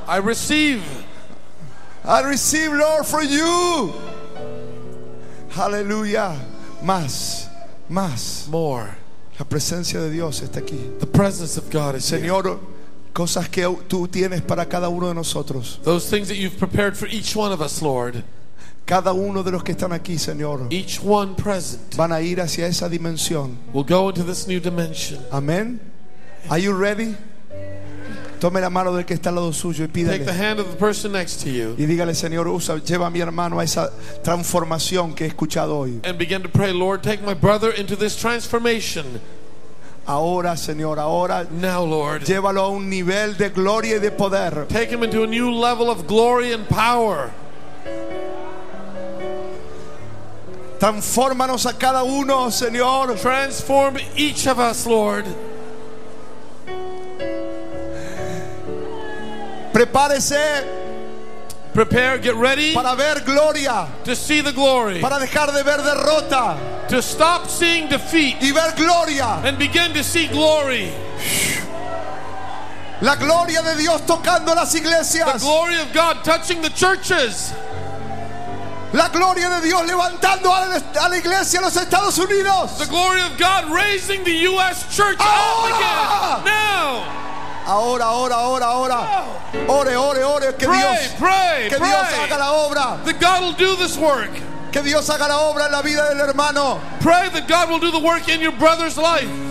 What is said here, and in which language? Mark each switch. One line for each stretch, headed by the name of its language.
English: I receive. I receive, Lord, for you. Hallelujah.
Spanish: Más. Más.
English: More.
Spanish: La presencia de Dios está aquí.
English: The presence of God is
Spanish: Señor,
English: here.
Spanish: Cosas que tú tienes para cada uno de nosotros.
English: Those things that you've prepared for each one of us, Lord.
Spanish: Cada uno de los que están aquí, Señor.
English: Each one present.
Spanish: Van a ir hacia esa dimensión.
English: We'll go into this new dimension. Amen. Are you ready?
Spanish: Tome la mano del que está al lado suyo y pídale.
English: Take the hand of the person next to you.
Spanish: Y dígale, Señor, usa, lleva a mi hermano a esa transformación que he escuchado hoy.
English: And begin to pray, Lord, take my brother into this transformation.
Spanish: Ahora, Señor, ahora.
English: Now, Lord.
Spanish: Llévalo a un nivel de gloria y de poder.
English: Take him into a new level of glory and power.
Spanish: Transfórmanos a cada uno, Señor.
English: Transform each of us, Lord.
Spanish: Prepárese.
English: Prepare, get ready.
Spanish: Para ver gloria.
English: To see the glory.
Spanish: Para dejar de ver derrota.
English: To stop seeing defeat.
Spanish: Y ver gloria.
English: And begin to see glory.
Spanish: La gloria de Dios tocando las iglesias.
English: The glory of God touching the churches.
Spanish: La gloria de Dios levantando a la iglesia en los Estados Unidos.
English: The glory of God raising the U.S. church
Spanish: ahora.
English: Up again. Now.
Spanish: Ahora, ahora, ahora, ahora. Ore, ore, ore. Que
English: pray,
Spanish: Dios,
English: pray,
Spanish: que
English: pray.
Spanish: Dios haga la obra.
English: That God will do this work.
Spanish: Que Dios haga la obra en la vida del hermano.
English: Pray that God will do the work in your brother's life.